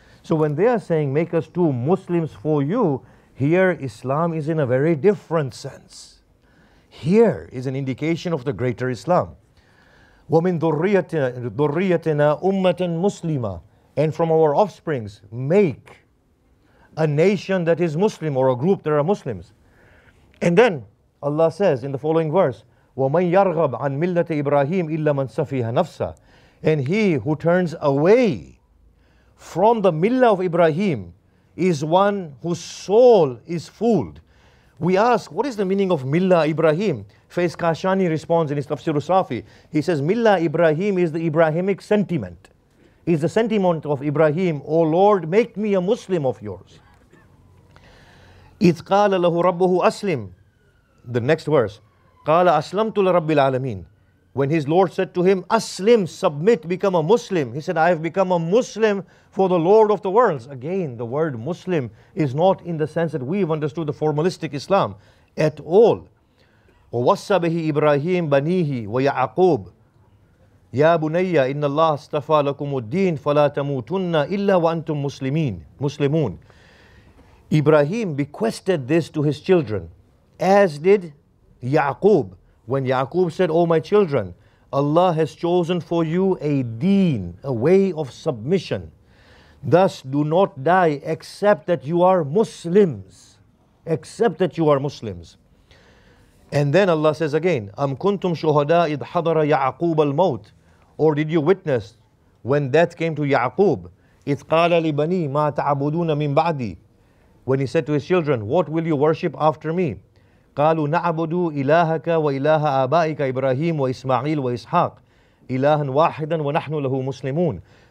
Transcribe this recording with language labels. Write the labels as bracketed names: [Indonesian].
[English] So when they are saying, make us two Muslims for you, here Islam is in a very different sense. Here is an indication of the greater Islam. [Arabic] وَمِن ذُرِّيَّتِنَا أُمَّةً مُسْلِمَةً. [English] And from our offsprings, make a nation that is Muslim, or a group that are Muslims. And then Allah says in the following verse, [Arabic] وَمَنْ يَرْغَبْ عَنْ مِلَّةِ إِبْرَاهِيمِ إِلَّا مَنْ سَفِيهَ نَفْسَهُ. [English] And he who turns away from the millah of Ibrahim is one whose soul is fooled. We ask, what is the meaning of millah Ibrahim? Faiz Kashani responds in his Tafsir al-Safi. He says, millah Ibrahim is the Ibrahimic sentiment. Is the sentiment of Ibrahim, O Lord, make me a Muslim of yours. [Arabic] إِذْ قَالَ لَهُ رَبُّهُ أَسْلِمْ. [English] The next verse, [Arabic] قَالَ أَسْلَمْتُ لَرَبِّ الْعَالَمِينَ. [English] When his Lord said to him, Aslim, submit, become a Muslim. He said, I have become a Muslim for the Lord of the worlds. Again, the word Muslim is not in the sense that we've understood the formalistic Islam at all. [Arabic] وَوَصَّى بِهِ إِبْرَاهِيمِ بَنِيهِ وَيَعَقُوبِ. يَا بُنَيَّ إِنَّ اللَّهَ اصْطَفَى لَكُمُ الدِّينَ فَلَا تَمُوتُنَّ إِلَّا وَأَنْتُمْ مُسْلِمُونَ. [English] Ibrahim bequested this to his children, as did Ya'qub. When Ya'qub said, O my children, Allah has chosen for you a deen, a way of submission. Thus do not die except that you are Muslims. Except that you are Muslims. And then Allah says again, [Arabic] أَمْ كُنْتُمْ شُهَدَىٰ إِذْ حَضَرَ يَعْقُوبَ الْمَوْتِ. [English] Or did you witness when death came to Ya'qub? [Arabic] إِذْ قَالَ لِبَنِي مَا تَعْبُدُونَ مِنْ بَعْدِي. [English] When he said to his children, what will you worship after me? [Arabic] قَالُوا نَعْبُدُوا إِلَهَكَ وَإِلَهَ آبَائِكَ إِبْرَاهِيمُ وَإِسْمَعِيلُ وَإِسْحَاقُ إِلَهًا وَاحِدًا وَنَحْنُ لَهُ مُسْلِمُونَ.